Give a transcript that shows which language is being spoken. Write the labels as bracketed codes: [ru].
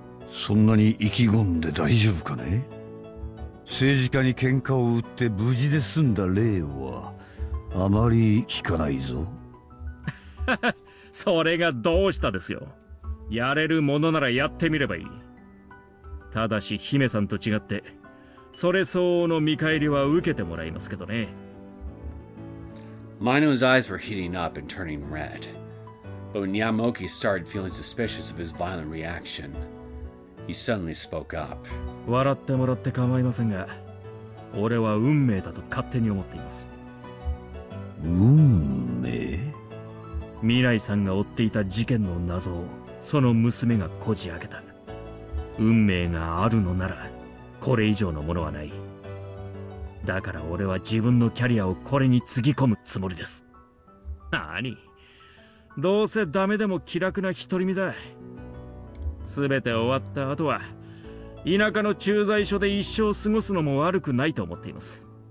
[ja] そんなに意気込んで大丈夫かね。政治家に喧嘩を売って無事で済んだ例は あまり聞かないぞ。それがどうしたですよ。やれるものならやってみればいい。ただし姫さんと違って、それ相応の見返りは受けてもらいますけどね。Mino's [en] eyes were heating up and turning red, but when Yamoki started feeling suspicious of his violent reaction, he suddenly spoke up. [ja] 笑ってもらって構いませんが、俺は運命だと勝手に思っています。運命？未来さんが追っていた事件の謎を、その娘がこじ開けた。運命があるのなら、これ以上のものはない。だから俺は自分のキャリアをこれに継ぎ込むつもりです。何？どうせダメでも気楽な独り身だ。全て終わった後は、田舎の駐在所で一生過ごすのも悪くないと思っています。